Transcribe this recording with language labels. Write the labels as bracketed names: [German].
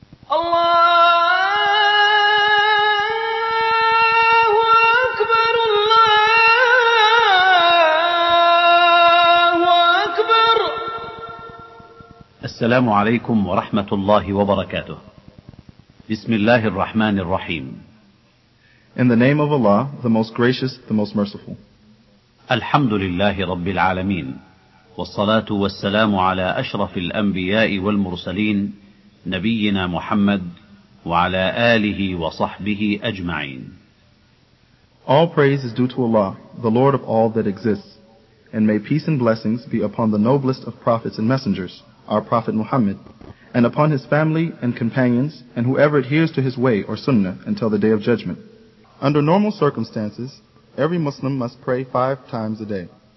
[Arabic] Allahu Akbar, Allahu Akbar. Assalamu alaykum wa rahmatullahi wa barakatuh. بسم الله الرحمن الرحيم. [English] In the name of Allah, the most gracious, the most merciful. [Arabic] الحمد لله رب العالمين والصلاة والسلام على أشرف الأنبياء والمرسلين نبينا محمد وعلى آله وصحبه أجمعين. [English] All praise is due to Allah, the Lord of all that exists, and may peace and blessings be upon the noblest of prophets and messengers, our Prophet Muhammad, and upon his family and companions, and whoever adheres to his way or sunnah until the day of judgment. Under normal circumstances, every Muslim must pray 5 times a day.